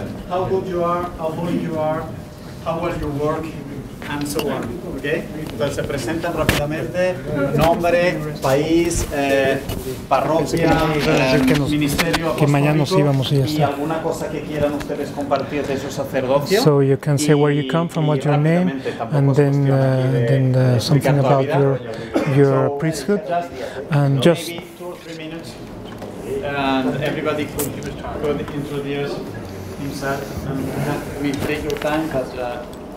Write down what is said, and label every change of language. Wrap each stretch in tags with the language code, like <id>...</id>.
<en>How good you are, how good you are, how well you work, and so on. Okay.</en> <es>Entonces se presentan rápidamente nombre, país, parroquia, ministerio, que mañana nos íbamos y ya está. Y alguna cosa que quieran ustedes compartir de su sacerdocio.</es> <en>So you can say where you come from, what's your name, and then something about your priesthood, and just 2 or 3 minutes, and everybody could introduce himself, and we take your time, but.</en>